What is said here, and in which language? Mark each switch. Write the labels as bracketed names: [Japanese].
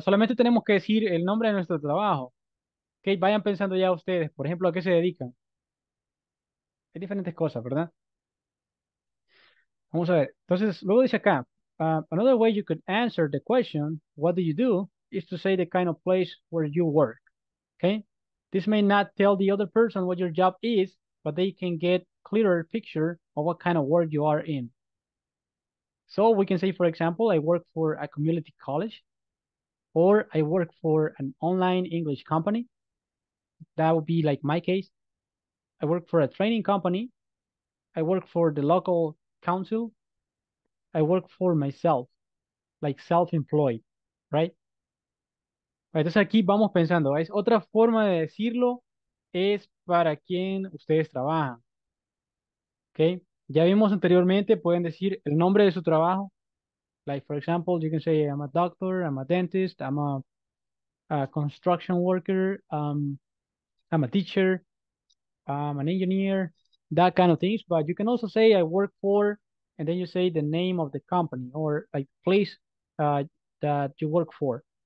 [Spanish] Solamente tenemos que decir el nombre de nuestro trabajo. Ok, vayan pensando ya ustedes, por ejemplo, ¿a qué se dedican? Hay diferentes cosas, ¿verdad? Vamos a ver. Entonces, luego dice acá, [English] another way you could answer the question, what do you do, is to say the kind of place where you work. Ok, this may not tell the other person what your job is, but they can get clearer picture of what kind of work you are in. So we can say, for example, I work for a community college, or I work for an online English company. That would be like my case. I work for a training company. I work for the local council. I work for myself, like self-employed, right? [Spanish] Entonces aquí vamos pensando, es otra forma de decirlo, es para quien ustedes trabajan, okay? Ya vimos anteriormente, pueden decir el nombre de su trabajo. [English] Like, for example, you can say, I'm a doctor, I'm a dentist, I'm a construction worker, I'm a teacher, I'm an engineer, that kind of things. But you can also say, I work for, and then you say the name of the company or like place that you work for.